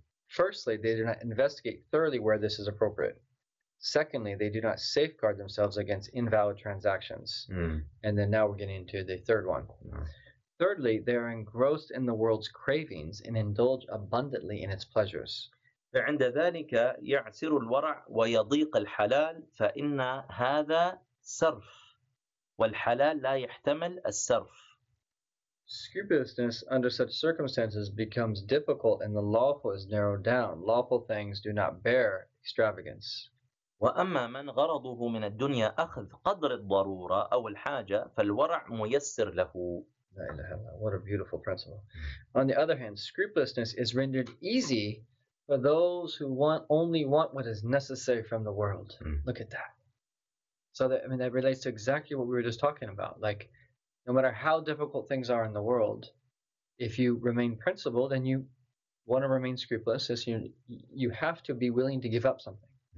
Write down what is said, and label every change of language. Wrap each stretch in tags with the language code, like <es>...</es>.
<en>Firstly, they do not investigate thoroughly where this is appropriate. Secondly, they do not safeguard themselves against invalid transactions. And then now we're getting into the third one. Thirdly, they are engrossed in the world's cravings and indulge abundantly in its pleasures.</en> <ar>فعند ذلك يعسر الورع ويضيق الحلال فإن هذا صرف والحلال لا يحتمل الصرف.</ar> <en>Scrupulousness under such circumstances becomes difficult and the lawful is narrowed down. Lawful things do not bear extravagance.</en> <ar>وأما من غرضه من الدنيا أخذ قدر الضرورة أو الحاجة فالورع ميسر له.</ar> <en>What a beautiful principle. On the other hand, scrupulousness is rendered easy for those who only want what is necessary from the world. Look at that. So that relates to exactly what we were just talking about. Like, no matter how difficult things are in the world, if you remain principled and you want to remain scrupulous, you have to be willing to give up something.</en>